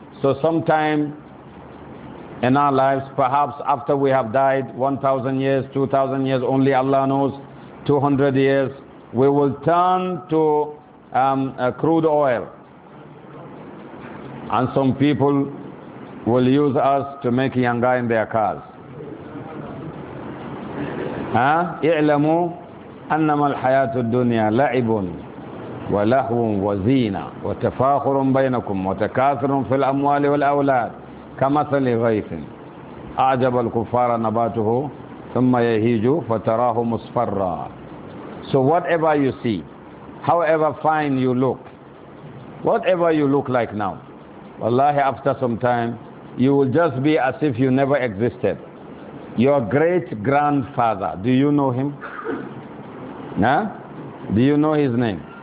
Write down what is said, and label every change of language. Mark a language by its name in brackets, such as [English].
[English] So sometime in our lives, perhaps after we have died, 1,000 years, 2,000 years, only Allah knows, 200 years, we will turn to crude oil. And some people will use us to make yanga in their cars. [Arabic] اعلموا أنما الحياة الدنيا لعب ولهو وزينة وتفاخر بينكم وتكاثر في الأموال والأولاد كمثل غيث أعجب الكفار نباته ثم يهيج فتراه مصفرا. [English] So whatever you see, however fine you look, whatever you look like now, wallahi, after some time, you will just be as if you never existed. Your great grandfather, do you know him? Huh? Do you know his name?